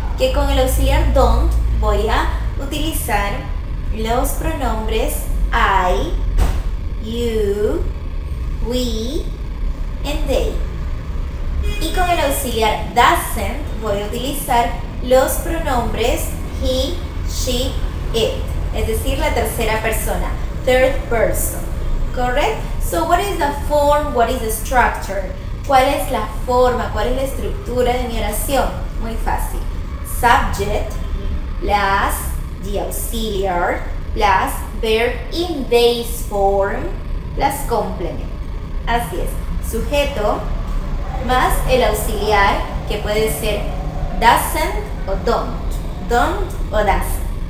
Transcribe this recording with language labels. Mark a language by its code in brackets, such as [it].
[es] Que con el auxiliar don't voy a utilizar los pronombres I, you, we, and they. Y con el auxiliar doesn't voy a utilizar los pronombres he, she, it, es decir, la tercera persona, third person, ¿correct? [en] So, what is the form, what is the structure? [es] ¿Cuál es la forma, cuál es la estructura de mi oración? Muy fácil. [en] Subject plus the auxiliar plus verb in base form plus complement. [es] Así es. Sujeto más el auxiliar, que puede ser doesn't o don't o doesn't.